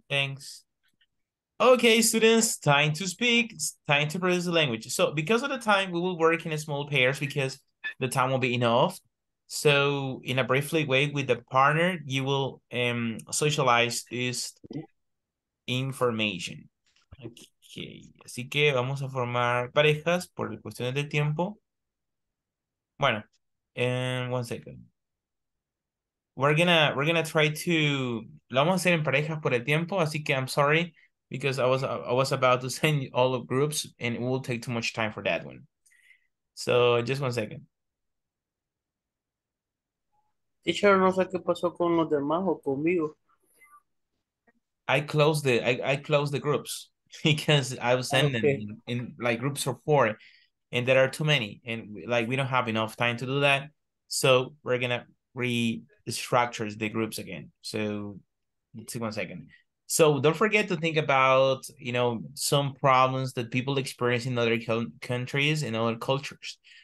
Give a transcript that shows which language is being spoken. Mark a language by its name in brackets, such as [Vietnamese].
[English] Thanks. Okay, students, time to speak. It's time to produce the language. So because of the time, we will work in a small pairs because the time will be enough. So in a briefly way with the partner, you will socialize this information. Okay. [Spanish] Así que vamos a formar parejas por cuestiones del tiempo. Bueno. [English] And 1 second. We're gonna try to... [Spanish] Lo vamos a hacer en parejas por el tiempo, así que [English] I'm sorry. because I was about to send all of groups and it will take too much time for that one. So just one second. [Spanish] Teacher, no sé qué pasó con los demás o conmigo. [English] I closed the groups because I was sending them in like groups of four, and there are too many, and like we don't have enough time to do that. So we're gonna restructure the groups again. So take 1 second. So don't forget to think about, you know, some problems that people experience in other countries and other cultures.